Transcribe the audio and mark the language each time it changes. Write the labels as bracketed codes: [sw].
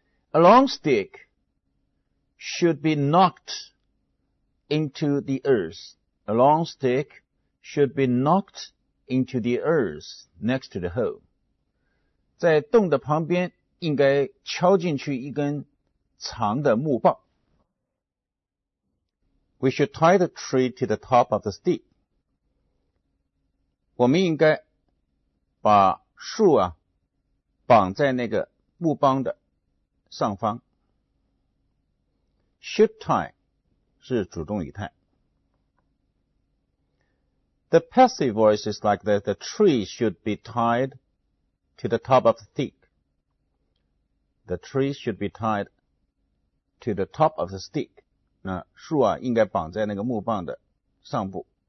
[en] A long stick should be knocked into the earth. A long stick should be knocked into the earth next to the hole. [zh] 在洞的旁边应该敲进去一根长的木棒。 [en] We should tie the tree to the top of the stick. [zh] 我们应该把树啊绑在那个木棒的上方。 [en] Should tie [zh] 是主动语态。 [en] The passive voice is like that. The tree should be tied to the top of the stick. The tree should be tied to the top of the stick. [zh] 那树啊应该绑在那个木棒的上部。